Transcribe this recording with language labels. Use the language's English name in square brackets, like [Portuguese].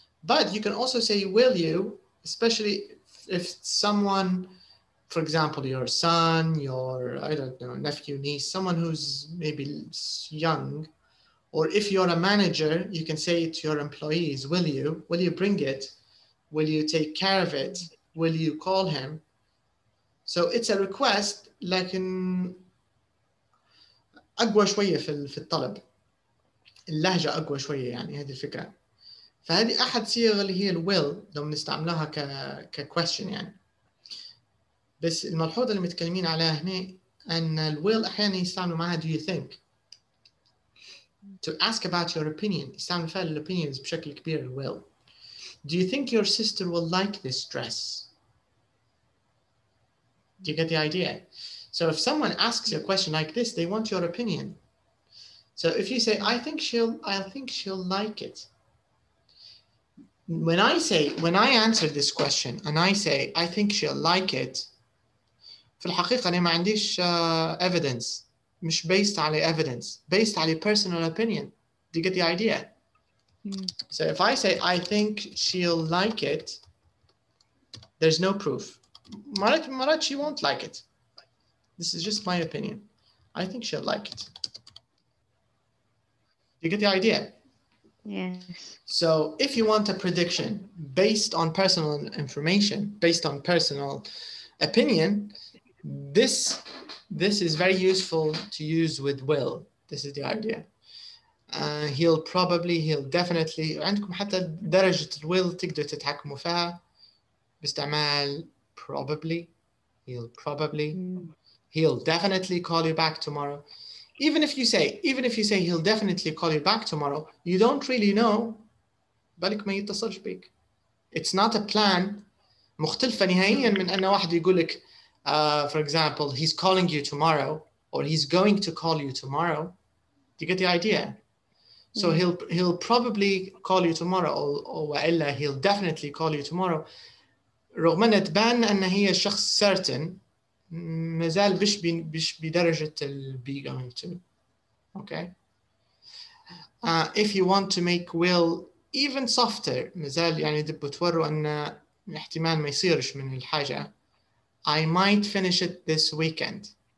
[English] But you can also say will you, especially if someone, for example, your son, your, I don't know, nephew, niece, someone who's maybe young. Or if you're a manager, you can say it to your employees, will you? Will you bring it? Will you take care of it? Will you call him? So it's a request, [Arabic] لكن أقوى شوية في الطلب. اللهجة أقوى شوية يعني هذه الفكرة. فهذه أحد صيغ اللي هي will لو نستعملها ك question يعني. بس الملحوظة اللي متكلمين عليها هنا أن will أحيانا يستعملوا معها do you think to ask about your opinion. يستعملوا فعل opinions بشكل كبير will. [English] Do you think your sister will like this dress? Do you get the idea? So if someone asks a question like this, they want your opinion. So if you say, I think she'll like it. When I answer this question and I say, I think she'll like it, [Arabic] في الحقيقة أنا ما عنديش [English] evidence. مش based على evidence. Based على personal opinion. Do you get the idea? So if I say, I think she'll like it, there's no proof. Marat, she won't like it. This is just my opinion. I think she'll like it. You get the idea? Yes. So if you want a prediction based on personal information, based on personal opinion, this is very useful to use with will. This is the idea. He'll probably, he'll definitely. [Arabic] عندكم حتى درجة will تقدر تتحكموا فيها باستعمال probably. [English] He'll probably. He'll definitely call you back tomorrow. Even if you say he'll definitely call you back tomorrow, you don't really know. [Arabic] بالك ما يتصلش بيك. [English] It's not a plan. [Arabic] مختلفة نهائيا من أن واحد يقول لك, [English] for example, he's calling you tomorrow or he's going to call you tomorrow. Do you get the idea? So he'll probably call you tomorrow or وإلا he'll definitely call you tomorrow. [Arabic] رغم أن تبان أن هي شخص certain, مازال بش بدرجة be going to. [English] Okay. If you want to make will even softer, [Arabic] مازال يعني دب وتوروا أن احتمال ما يصيرش من الحاجة, [English] I might finish it this weekend.